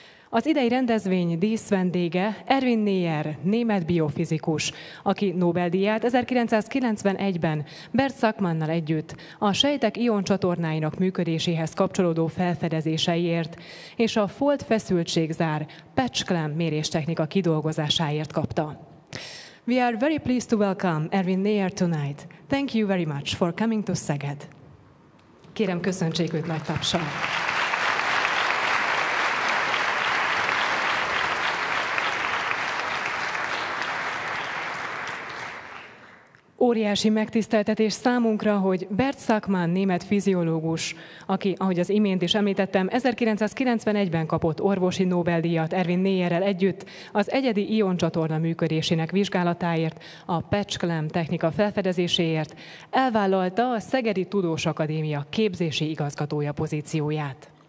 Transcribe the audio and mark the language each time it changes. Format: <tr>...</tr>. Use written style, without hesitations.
<hu>Az idei rendezvény díszvendége Erwin Neher, német biofizikus, aki Nobel-díját 1991-ben Bert Sackmannal együtt a sejtek ioncsatornáinak működéséhez kapcsolódó felfedezéseiért és a fold feszültségzár patch-clamp méréstechnika kidolgozásáért kapta.</hu> <en>We are very pleased to welcome Erwin Neher tonight. Thank you very much for coming to Szeged.</en> <hu>Kérem, köszöntsék őt nagy tapsal. Óriási megtiszteltetés számunkra, hogy Bert Sackmann, német fiziológus, aki, ahogy az imént is említettem, 1991-ben kapott orvosi Nobel-díjat Erwin Neherrel együtt az egyedi ioncsatorna működésének vizsgálatáért, a patch-clamp technika felfedezéséért elvállalta a Szegedi Tudós Akadémia képzési igazgatója pozícióját.</hu>